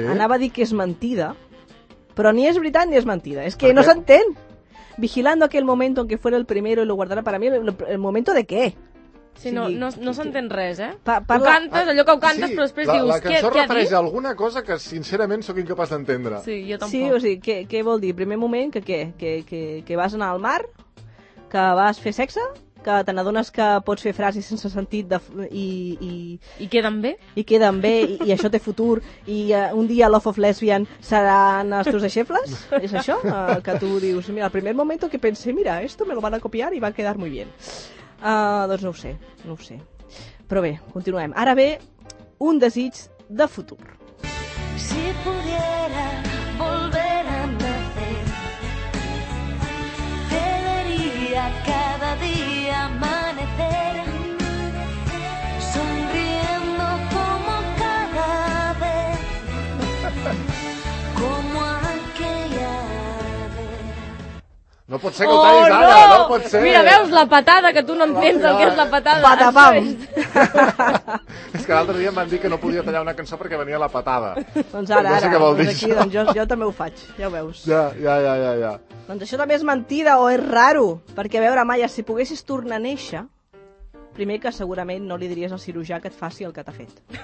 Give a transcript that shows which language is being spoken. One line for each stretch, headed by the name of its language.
Catalan: anava a dir que és mentida, però ni és veritat ni és mentida. És que no s'entén.
Spanish: Vigilando aquel momento en que fuera el primero y lo guardara para mí, el momento
Catalan: de què? Sí, o sigui, no s'entén res, eh? Ho cantes, allò que ho cantes, sí, però després dius... La cançó què refereix a alguna cosa que sincerament sóc incapaç d'entendre. Sí, jo tampoc. Sí, o sigui, què vol dir? Primer moment, que què? Que vas anar al mar? Que vas fer sexe? Que te n'adones que pots fer frases sense sentit de i queden bé? I queden bé, i això té futur, i un dia Love of Lesbian seran els teus deixebles? És això que tu dius?
Spanish: Mira, el primer moment que pensé, mira, esto me lo van a copiar i va quedar muy bien.
Catalan: Doncs no ho sé. Però bé, continuem. Ara ve un desig de futur.
Spanish: Si pudiera volver a nacer, te daría cada día amanecer sonriendo como cada vez como aquella vez.
Catalan: No pot ser que ho tallis, ara, no pot ser. Mira, veus la patada, que tu no entens el que és la patada. Patapam. És que l'altre dia em van dir que no podia tallar una cançó perquè venia la patada. Doncs ara, no sé què vol dir. Doncs aquí, doncs jo també ho faig, ja ho veus. Ja. Doncs això també és mentida o és raro, perquè a veure, Maia, si poguessis tornar a néixer, primer que segurament no li diries al cirurgià que et faci el que t'ha fet.